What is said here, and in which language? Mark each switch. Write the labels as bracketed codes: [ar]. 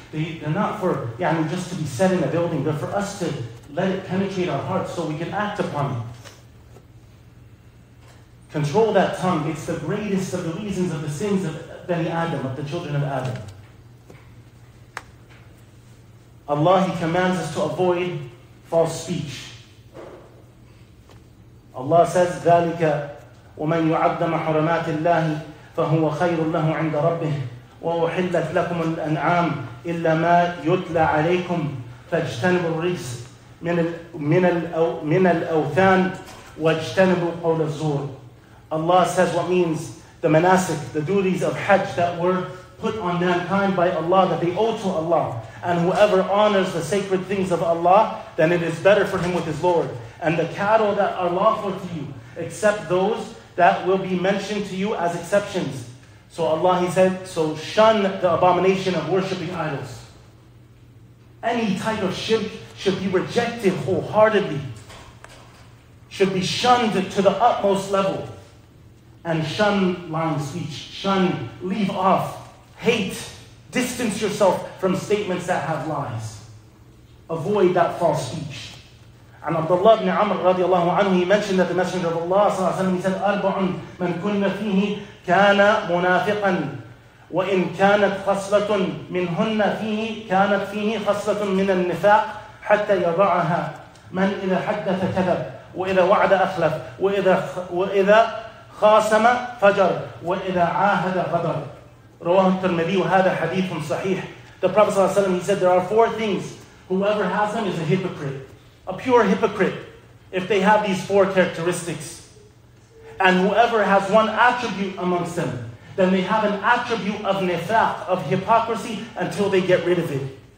[en] They're not for just to be said in a building. They're for us to let it penetrate our hearts so we can act upon it. Control that tongue. It's the greatest of the reasons of the sins of Bani Adam, of the children of Adam. Allah, He commands us to avoid false speech. Allah says, [ar] ذلك ومن يعظم حرمات الله فهو خير له عند ربه وأحلت لكم الأنعام إلا ما يتلى عليكم فاجتنبوا الرجس من الأوثان واجتنبوا قول الزور. [en] Allah says what means the manasik, the duties of Hajj that were put on mankind by Allah, that they owe to Allah. And whoever honors the sacred things of Allah, then it is better for him with his Lord. And the cattle that are lawful to you, except those that will be mentioned to you as exceptions. So Allah, He said, so shun the abomination of worshipping idols. Any type of shirk should be rejected wholeheartedly, should be shunned to the utmost level. And shun lying speech, shun, leave off, hate, distance yourself from statements that have lies. Avoid that false speech. And Abdullah ibn Amr radiallahu anhu, he mentioned that the Messenger of Allah sallallahu alayhi wa sallam, he said, [ar] أَرْبَعٌ مَنْ كُنَّ فِيهِ كَانَ مُنَافِقًا وَإِنْ كَانَتْ خَصْلَةٌ مِنْهُنَّ فِيهِ كَانَتْ فِيهِ خَصْلَةٌ مِنَ النِّفَاقِ حَتَّى يَضَعَهَا مَنْ إِذَا حَدَّثَ كَذَبْ وَإِذَا وَعَدَ أَخْلَفْ وَإِذَا خَاسَمَ فَجَرْ وَإِذَا عَاهَدَ غَدَرْ رَوَاهُ الترمذي وَهَذَا حَدِيثٌ صَحِيحٌ. [en] The Prophet sallallahu alayhi wa sallam, he said, there are four things. Whoever has them is a hypocrite. A pure hypocrite, if they have these four characteristics. And whoever has one attribute amongst them, then they have an attribute of nifaq, of hypocrisy, until they get rid of it.